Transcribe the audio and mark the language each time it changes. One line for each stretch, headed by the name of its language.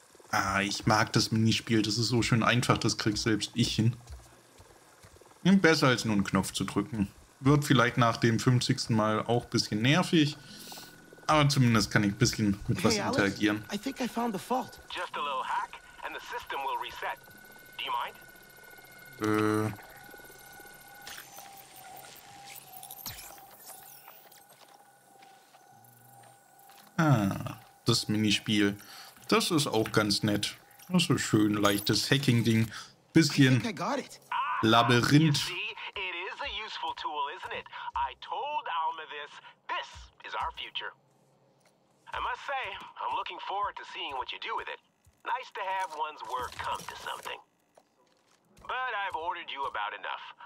German: Ah, ich mag das Minispiel, das ist so schön einfach, das krieg selbst ich hin. Besser als nur einen Knopf zu drücken. Wird vielleicht nach dem 50. Mal auch ein bisschen nervig. Aber zumindest kann ich ein bisschen mit was interagieren.
English: I think I found the fault. Just a little hack and the system will reset. Do you mind?
German: Das Minispiel. Das ist auch ganz nett. Das ist ein schön leichtes Hacking-Ding. Bisschen.
English: I think I got it. Ah, Labyrinth. You see, it is a useful tool, isn't it? I told Alma this. This is our future. I must say, I'm looking forward to seeing what you do with it. Nice to have one's work come to something. But I've ordered you about enough.